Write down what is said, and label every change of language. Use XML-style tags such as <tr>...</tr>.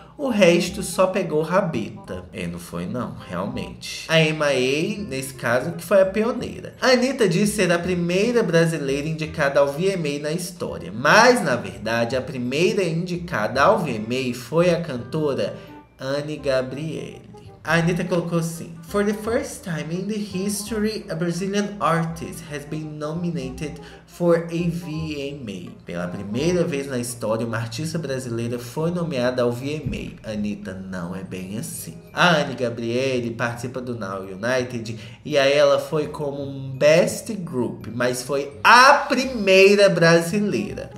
<pt>O resto só pegou rabeta. E não foi, não, realmente. A M.I.A., nesse caso, que foi a pioneira. A Anitta diz ser a primeira brasileira indicada ao VMA na história. Mas, na verdade, a primeira indicada ao VMA foi a cantora Anne Gabrielle. A Anitta colocou assim:</pt> <en>for the first time in the history, a Brazilian artist has been nominated for a VMA.</en> <pt>Pela primeira vez na história, uma artista brasileira foi nomeada ao VMA. Anitta, não é bem assim. A Anne Gabrielle participa do Now United e a ela foi como um best group, mas foi a primeira brasileira.</pt>